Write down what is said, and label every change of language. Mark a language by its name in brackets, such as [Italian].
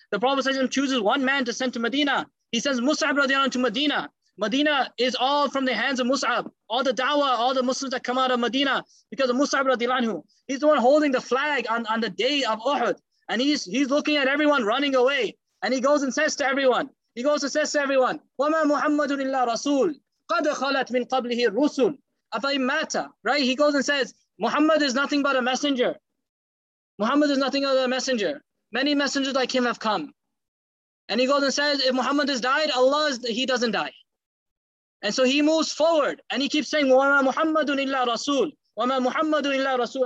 [English] The Prophet ﷺ chooses one man to send to Medina. He sends Mus'ab radiallahu anhu to Medina. Medina is all from the hands of Mus'ab. All the da'wah, all the Muslims that come out of Medina because of Mus'ab radiallahu anhu. He's the one holding the flag on the day of Uhud. And he's looking at everyone running away. And he goes and says to everyone, [Arabic] وَمَا مُحَمَّدٌ إِلَّا رَسُولٌ قَدْ خَلَتْ مِنْ قَبْلِهِ الرُّسُولٌ أَفَإِمْ مَاتَ. [English] Right? He goes and says, Muhammad is nothing but a messenger. Muhammad is nothing but a messenger. Many messengers like him have come. And he goes and says, if Muhammad has died, he doesn't die. And so he moves forward and he keeps saying, [Arabic] وَمَا مُحَمَّدٌ إِلَّا رَسُولٌ وَمَا مُحَمَّدٌ إِلَّا رَسُولٌ.